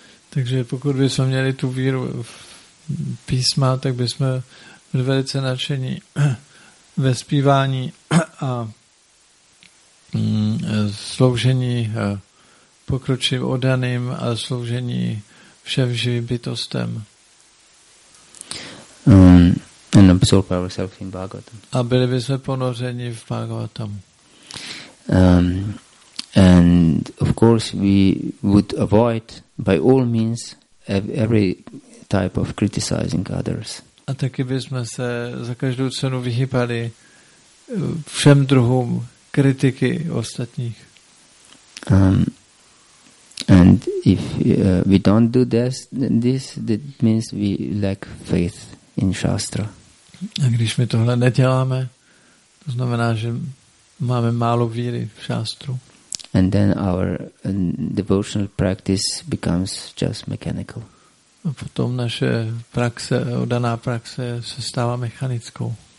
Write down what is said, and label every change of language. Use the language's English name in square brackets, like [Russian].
[Czech] Takže pokud bychom měli tu víru v písma, tak bychom byli velice nadšení ve zpívání a sloužení pokročivým oddaným a sloužení všem živým bytostem. [English] And absorb ourselves in Bhagavatam. [Czech] A byli bychom ponořeni v Bhagavatam. [English] And of course we would avoid by all means every type of criticizing others. [Czech] A taky bychom se za každou cenu vyhýbali všem druhům kritiky ostatních. [English] And if we don't do this, that means we lack faith in Shastra. [Czech] A když my tohle neděláme, to znamená, že máme málo víry v šástru. [English] And then our devotional practice becomes just mechanical. [Czech] A potom naše praxe, oddaná praxe, se stává mechanickou.